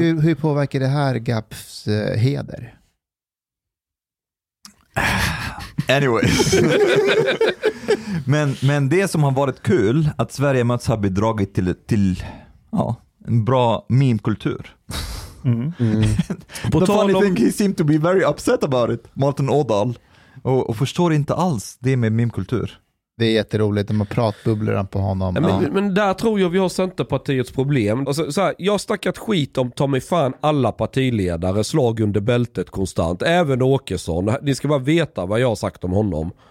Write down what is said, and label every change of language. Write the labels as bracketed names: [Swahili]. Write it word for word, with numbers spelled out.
[Swedish] hur, hur påverkar det här G A P Fs eh, heder? [English] Anyways. [Swedish] men, men det som har varit kul att Sverige möts har bidragit till, till ja, en bra meme-kultur. Mm. Mm. [English] The funny om... thing, he seemed to be very upset about it, Martin Ådahl. [Swedish] Och, och förstår inte alls det med meme-kultur. Det är jätteroligt, de har pratbubblorna på honom. Men, ja. men där tror jag vi har Centerpartiets problem. Alltså, så här, jag har snackat skit om ta mig fan alla partiledare, slag under bältet konstant. Även Åkesson. Ni ska bara veta vad jag har sagt om honom.